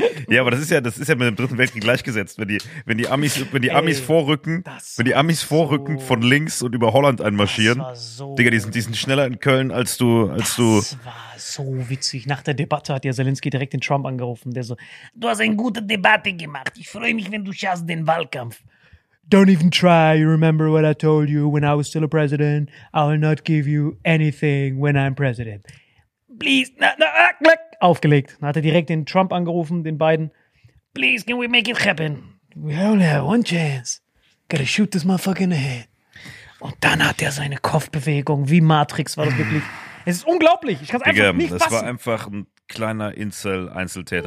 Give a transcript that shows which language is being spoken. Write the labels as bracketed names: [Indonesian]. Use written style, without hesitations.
[German] Ja, aber das ist ja mit dem Dritten Weltkrieg gleichgesetzt. Wenn die Amis vorrücken von links und über Holland einmarschieren. Das war so. Digga, die sind schneller in Köln als du. Das war so witzig. Nach der Debatte hat ja Zelensky direkt den Trump angerufen. Der so, du hast eine gute Debatte gemacht. Ich freue mich, wenn du schaffst den Wahlkampf. [English] Don't even try. You remember what I told you when I was still a president? I will not give you anything when I'm president. Please, no, [German] aufgelegt. Dann hat er direkt den Trump angerufen, den Biden. [English] Please, can we make it happen? We only have one chance. Gotta shoot this motherfucker in the head. [German] Und dann hat er seine Kopfbewegung. Wie Matrix war das wirklich. Es ist unglaublich. Ich kann es einfach nicht fassen. Das war einfach ein kleiner Einzeltäter.